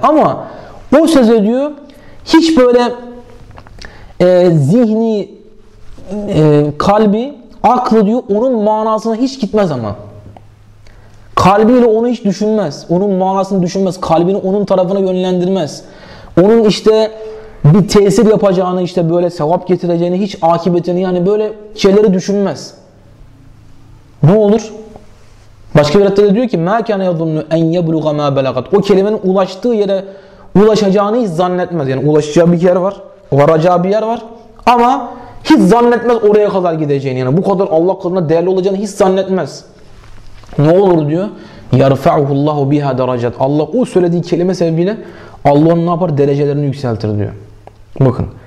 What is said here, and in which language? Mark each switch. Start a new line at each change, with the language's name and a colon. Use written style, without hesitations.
Turkish: Ama o söze diyor hiç böyle zihni, kalbi, aklı diyor onun manasına hiç gitmez ama. Kalbiyle onu hiç düşünmez. Onun manasını düşünmez. Kalbini onun tarafına yönlendirmez. Onun işte bir tesir yapacağını, işte böyle sevap getireceğini, hiç akıbetini, yani böyle şeyleri düşünmez. Ne olur? Başka bir hadiste diyor ki
Arabic: مَا كَانَ يَظُنُّ اَنْ يَبْلُغَ مَا بَلَغَتْ.
Turkish: O kelimenin ulaştığı yere ulaşacağını hiç zannetmez. Yani ulaşacağı bir yer var. Varacağı bir yer var. Ama hiç zannetmez oraya kadar gideceğini. Yani bu kadar Allah katında değerli olacağını hiç zannetmez. Ne olur diyor?
Arabic: يَرْفَعُهُ اللّٰهُ بِهَا دَرَجَتْ.
Turkish: Allah o söylediği kelime sebebiyle Allah onu ne yapar? Derecelerini yükseltir diyor. Bakın.